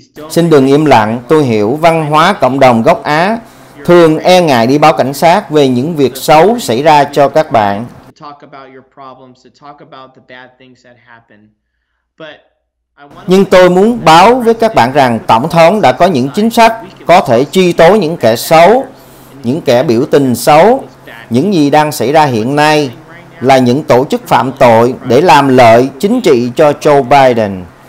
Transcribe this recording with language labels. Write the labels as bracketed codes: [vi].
[vi] Xin đừng im lặng, tôi hiểu văn hóa cộng đồng gốc Á thường e ngại đi báo cảnh sát về những việc xấu xảy ra cho các bạn. [en] talk about your problems, to talk about the bad things that happen. But [vi] nhưng tôi muốn báo với các bạn rằng Tổng thống đã có những chính sách có thể truy tố những kẻ xấu, những kẻ biểu tình xấu. Những gì đang xảy ra hiện nay là những tổ chức phạm tội để làm lợi chính trị cho Joe Biden.